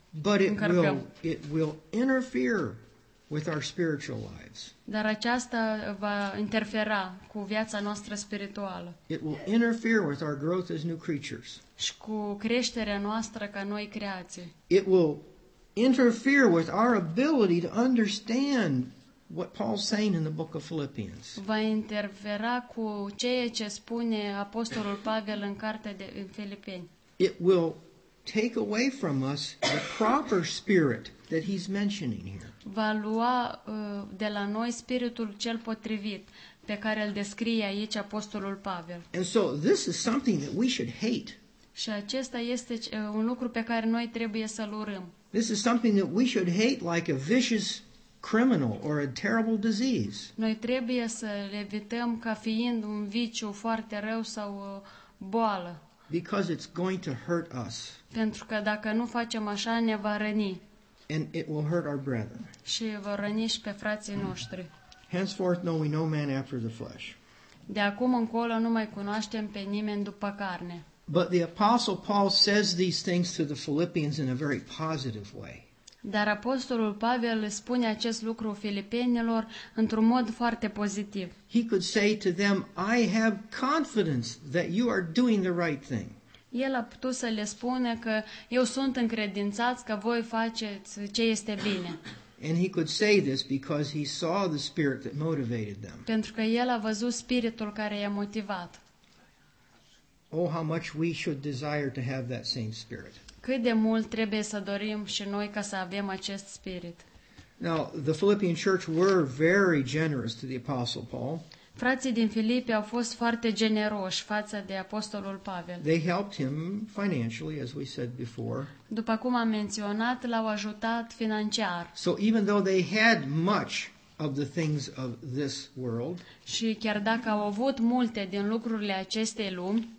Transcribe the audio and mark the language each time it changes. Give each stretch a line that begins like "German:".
English: But it will interfere with our spiritual lives.
Romanian: Dar aceasta va interfera cu viața noastră spirituală.
English: It will interfere with our growth as new creatures.
Romanian: Și cu creșterea noastră ca noi creații.
English: It will interfere with our ability to understand what Paul's saying in the book of Philippians.
Romanian: Va interfera cu ceea ce spune Apostolul Pavel în cartea de Filipeni.
English: It will take away from us the proper spirit that he's mentioning here.
Romanian: Va lua de la noi spiritul cel potrivit pe care îl descrie aici Apostolul Pavel.
English: And so this is something that we should hate.
Romanian: Și acesta este un lucru pe care noi trebuie să-l urâm.
English: This is something that we should hate like a vicious criminal or a terrible disease.
Romanian: Noi trebuie să le evităm ca fiind un viciu foarte rău sau o boală.
English: Because it's going to hurt us.
Romanian: Pentru că dacă nu facem așa, ne va răni.
English: And it will hurt our brethren.
Romanian: Și va răni și pe frații noștri.
English: Henceforth know we no man after the flesh.
Romanian: De acum încolo nu mai cunoaștem pe nimeni după carne.
English: But the Apostle Paul says these things to the Philippians in a very positive way.
Romanian: Dar Apostolul Pavel spune acest lucru filipenilor într-un mod foarte pozitiv.
English: He could say to them, I have confidence that you are doing the right thing.
Romanian: El a putut să le spună că eu sunt încredințat că voi faceți ce este bine.
English: And he could say this because he saw the spirit that motivated them.
Romanian: Pentru că el a văzut spiritul care i-a motivat.
English: Oh, how much we should desire to have that same spirit.
Romanian: Cât de mult trebuie să dorim și noi ca să avem acest spirit.
English: Now, the Philippian church were very generous to the Apostle Paul.
Romanian: Frații din Filipi au fost foarte generoși față de Apostolul Pavel.
English: They helped him financially, as we said before.
Romanian: După cum am menționat, l-au ajutat financiar.
English: So even though they had much of the things of this world.
Romanian: Și chiar dacă au avut multe din lucrurile acestei lumi,